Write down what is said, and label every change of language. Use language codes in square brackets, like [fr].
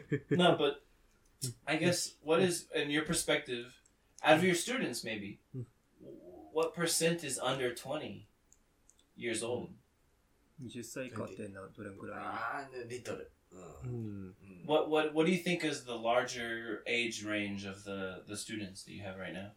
[en] No, but I guess what is, in your perspective, out of your students maybe, what percent is under 20 years old? [ja] 20歳以下ってどれぐらい?あ、リトル。 [en] What do you think is the larger age range of the students that you have right now?